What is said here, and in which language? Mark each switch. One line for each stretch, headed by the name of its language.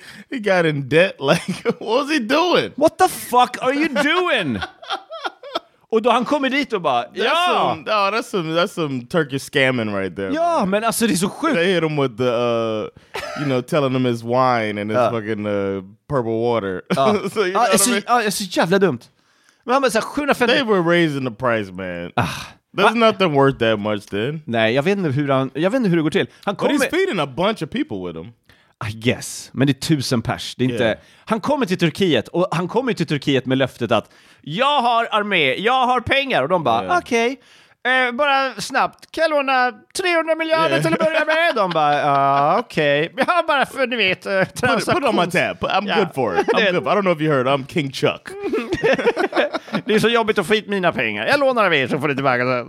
English: He got in debt, like, what was he doing? What the fuck are you doing?
Swedish: Och då han kommer dit och bara, ja!
English: That's some Turkish scamming right there.
Swedish: Ja, man. Men alltså det är så sjukt.
English: They hit him with the, you know, telling him his wine and his fucking purple water.
Swedish: Det är så jävla dumt. Men han bara, så här, 750...
English: They were raising the price, man. There's nothing worth that much then.
Swedish: Nej, jag vet inte hur det går till. Han kommer.
English: But he's feeding a bunch of people with him. I guess.
Swedish: Men det är 1000 pers. Det är inte. Yeah. Han kommer till Turkiet och han kommer till Turkiet med löftet att jag har armé, jag har pengar och de bara, yeah. Okej. Bara snabbt, kan jag låna 300 miljarder till att börja med? De bara, ja, okej. Okay. Jag bara, för ni vet,
English: put on my tab, I'm good for it. I'm good. I don't know if you heard, I'm King Chuck.
Swedish: Det är så jobbigt att få hit mina pengar. Jag lånar av er så får ni tillbaka.